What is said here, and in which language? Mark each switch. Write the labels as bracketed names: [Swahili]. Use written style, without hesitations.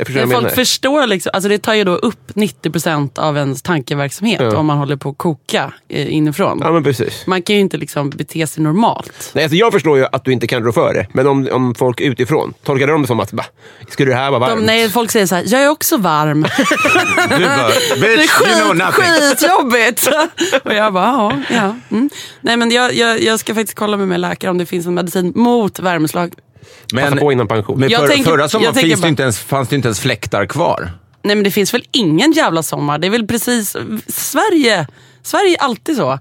[Swedish] Folk förstår liksom, alltså det tar ju då upp 90% av ens tankeverksamhet, ja, om man håller på att koka inifrån. Ja, men precis. Man kan ju inte liksom bete sig normalt. Nej, alltså jag förstår ju att du inte kan rå för det, men om folk utifrån tolkar de som att, bah, skulle det här vara varmt? Nej, folk säger så här: jag är också varm. Du bara, bitch, [English] you know nothing. [Swedish] Skitjobbigt. Och jag bara, ja. Mm. Nej, men jag ska faktiskt kolla med min läkare om det finns en medicin mot värmeslag. Men passa på innan pension. Men förra sommaren fanns det inte ens fläktar kvar. Nej, men det finns väl ingen jävla sommar. Det är väl precis Sverige är alltid så.